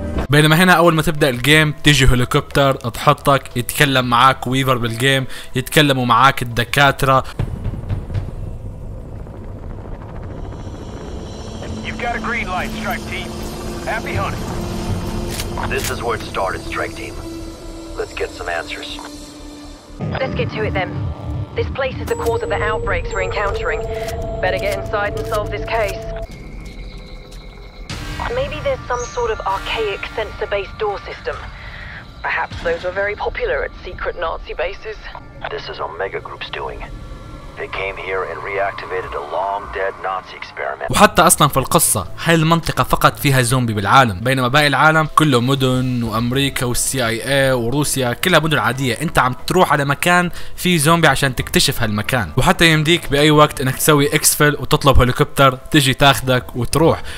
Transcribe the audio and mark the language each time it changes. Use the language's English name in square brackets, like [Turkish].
[Arabic] بينما هنا اول ما تبدا الجيم تيجي هليكوبتر تحطك، يتكلم معاك ويفر بالجيم، يتكلموا معاك الدكاتره. [English] You've got a green light, strike team. Happy hunting. This is where it started, strike team. Let's get some answers. Let's get to it then. This place is the cause of the outbreaks we're encountering. Better get inside and solve this case. Maybe there's some sort of archaic sensor-based door system. Perhaps those were very popular at secret Nazi bases. This is Omega Group's doing. They came here and reactivated a long-dead Nazi experiment. [Arabic] وحتى أصلاً في القصة هاي المنطقة فقط فيها زومبي بالعالم، بينما باقي العالم كله مدن وأمريكا والCIA وروسيا كلها مدن عادية. أنت عم تروح على مكان فيه زومبي عشان تكتشف هالمكان، وحتى يمديك بأي وقت أنك تسوي إكسفل وتطلب هليكوبتر تجي تاخدك وتروح.